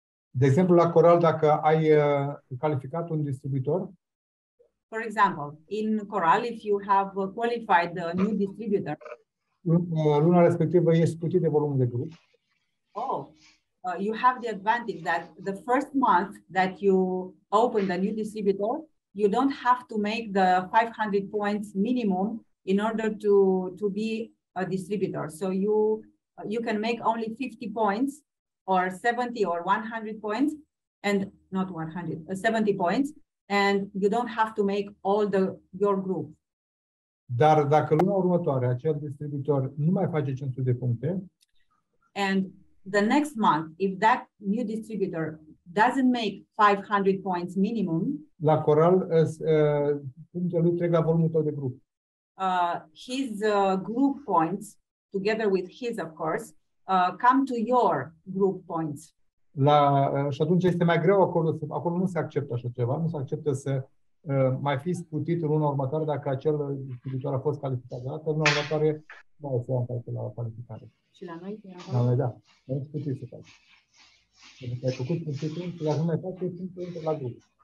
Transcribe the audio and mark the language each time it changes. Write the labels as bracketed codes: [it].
[ro] De exemplu, la Coral, dacă ai calificat un distribuitor. [en] For example, in Coral, if you have qualified a new distributor. [ro] Luna respectivă e scutit de volumul de grup. [en] Oh. You have the advantage that the first month that you open the new distributor, you don't have to make the 500 points minimum in order to be a distributor. So you can make only 50 points or 70 or 100 points, and not 100, 70 points, and you don't have to make all the your group. [ro] Dar dacă luna următoare acel distribuitor nu mai face 500 de puncte, [en] and the next month, if that new distributor doesn't make 500 points minimum, [ro] la coral punctele lui trec la volumul tău de grup. [en] His group points, together with his, of course, come to your group points. [ro] La și atunci este mai greu acolo, acolo nu se acceptă așa ceva, nu se acceptă să mai fi scutit în luna următoare dacă acel distribuitor a fost calificat. Dar în luna următoare nu o să iau la calificare. Și la noi? Da, da. Nu scutit să faci. Pentru că ai făcut un scutit, dar nu mai faci, ești scutit la grup.